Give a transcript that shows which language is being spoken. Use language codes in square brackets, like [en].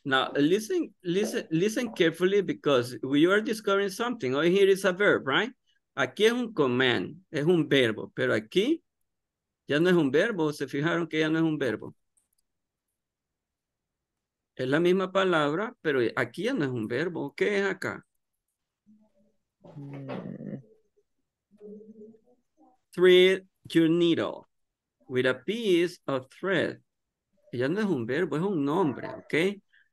[en] Now, listen carefully because you are discovering something. Oh, here is a verb, right? [es] Aquí es un command, es un verbo, pero aquí ya no es un verbo. ¿Se fijaron que ya no es un verbo? Es la misma palabra, pero aquí ya no es un verbo. ¿Qué es acá? [en] Thread your needle with a piece of thread. [es] Ya no es un verbo, es un nombre, ¿ok?